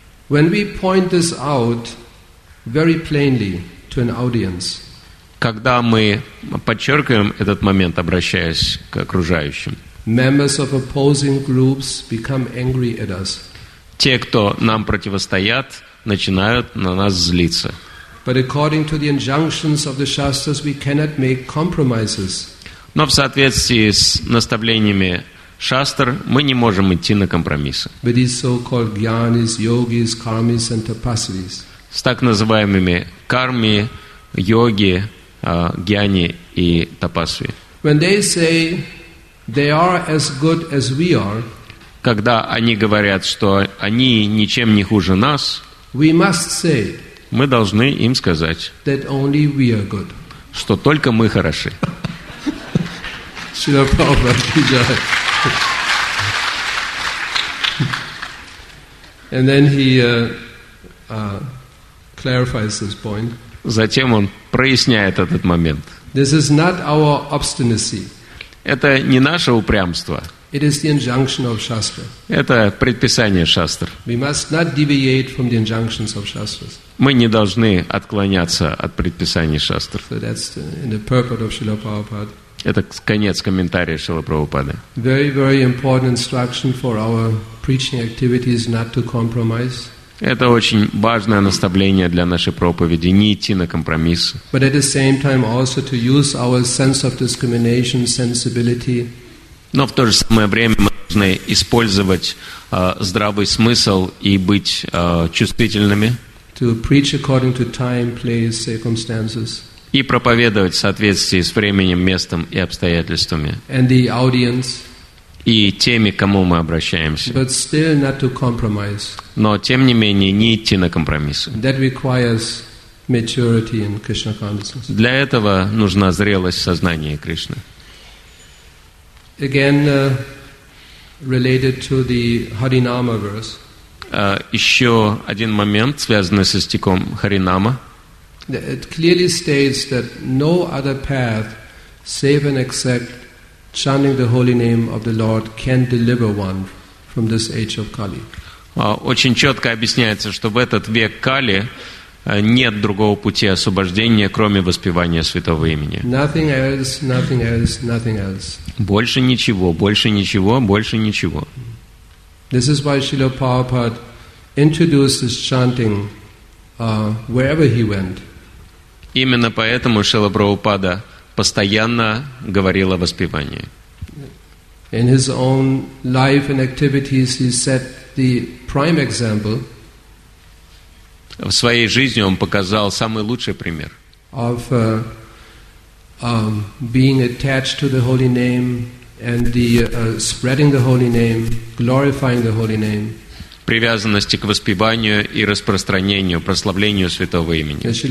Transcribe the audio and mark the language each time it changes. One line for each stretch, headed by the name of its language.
English: When we point this out very plainly to an audience,
Russian: когда мы подчеркиваем этот момент, обращаясь к окружающим,
English: members of opposing groups become angry at us.
Russian: Те, кто нам противостоят, начинают на нас злиться.
English: But according to the injunctions of the Shastras, we cannot make compromises.
Russian: Но в соответствии с наставлениями Шастр, мы не можем идти на компромиссы.
English: But these so-called gyanis, yogis, karmis, and tapasvis.
Russian: С так называемыми карми, йоги, гьяни и тапасви.
English: When they say they are as good as we are,
Russian: когда они говорят, что они ничем не хуже нас,
English: we must say,
Russian: мы должны им сказать,
English: that only we are good.
Russian: Что только мы хороши. Шрила Прабхупада.
English: And then he clarifies this point.
Russian: Затем он проясняет этот момент.
English: This is not our obstinacy.
Russian: Это не наше упрямство.
English: It is the injunction of Shastra.
Russian: Это предписание Шастр.
English: We must not deviate from the injunctions of Shastras.
Russian: Мы не должны отклоняться от предписаний Шастр.
English: So that's in the purport of Srila Prabhupada.
Russian: Это конец комментария Шрилы Прабхупады.
English: Very, very important instruction for our preaching activities not to compromise.
Russian: Это очень важное наставление для нашей проповеди — не идти на компромиссы.
English: But at the same time also to use our sense of discrimination, sensibility.
Russian: Но в то же самое время мы должны использовать здравый смысл и быть чувствительными.
English: To preach according to time, place, circumstances.
Russian: И проповедовать в соответствии с временем, местом и обстоятельствами.
English: And the audience.
Russian: И теми, к кому мы обращаемся.
English: But still not to compromise.
Russian: Но, тем не менее, не идти на компромиссы.
English: That requires maturity in Krishna consciousness.
Russian: Для этого нужна зрелость в сознании Кришны.
English: Again, related to the Harinama verse.
Russian: Еще один момент, связанный со стихом Харинама.
English: It clearly states that no other path, save and except chanting the holy name of the Lord, can deliver one from this age of Kali.
Russian: Очень четко объясняется, что в этот век Кали нет другого пути освобождения, кроме воспевания святого имени.
English: Nothing else, nothing else, nothing else.
Russian: Больше ничего, больше ничего, больше ничего.
English: This is why Srila Prabhupada introduced this chanting wherever he went.
Russian: Именно поэтому Шрила Прабхупада постоянно говорил о воспевании.
English: In his own life and activities, he set the prime example.
Russian: В своей жизни он показал самый лучший пример.
English: Of being attached to the holy name and the spreading the holy name, glorifying the holy name.
Russian: Привязанности к воспеванию и распространению, прославлению святого имени.